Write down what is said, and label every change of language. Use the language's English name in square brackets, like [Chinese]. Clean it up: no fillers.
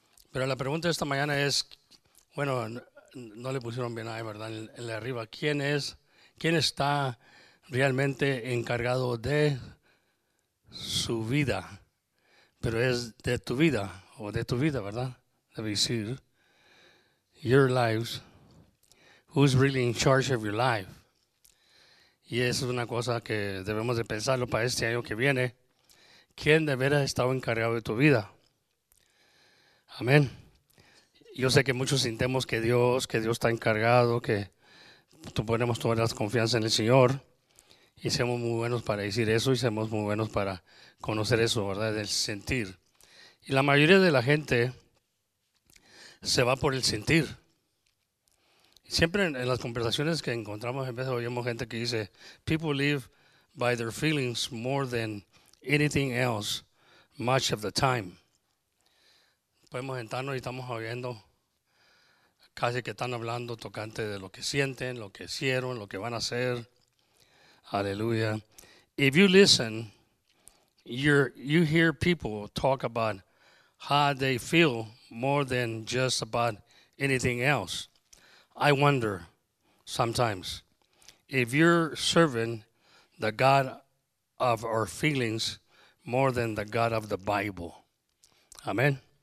[Spanish] Pero la pregunta de esta mañana es, bueno, no le pusieron bien ahí, ¿verdad? En la arriba, ¿quién es? ¿Quién está realmente encargado de su vida? Pero es de tu vida, o de tu vida, ¿verdad? Debe decir, [English] your lives, who's really in charge of your life? [Spanish] Y esa es una cosa que debemos de pensarlo para este año que viene. ¿Quién de veras está encargado de tu vida? Amén. Yo sé que muchos sintemos que Dios está encargado, que tú ponemos todas las confianzas en el Señor, y seamos muy buenos para decir eso, y seamos muy buenos para conocer eso, ¿verdad? Del sentir. Y la mayoría de la gente se va por el sentir. Siempre en las conversaciones que encontramos, en vez de oímos gente que dice, [English] people live by their feelings more than anything else, much of the time. [Spanish] Podemos sentarnos y estamos oyendo casi que están hablando tocante de lo que sienten, lo que hicieron, lo que van a hacer. Aleluya. [English] If you listen, you hear people talk about how they feel more than just about anything else. I wonder sometimes if you're serving the God of our feelings more than the God of the Bible. Amen.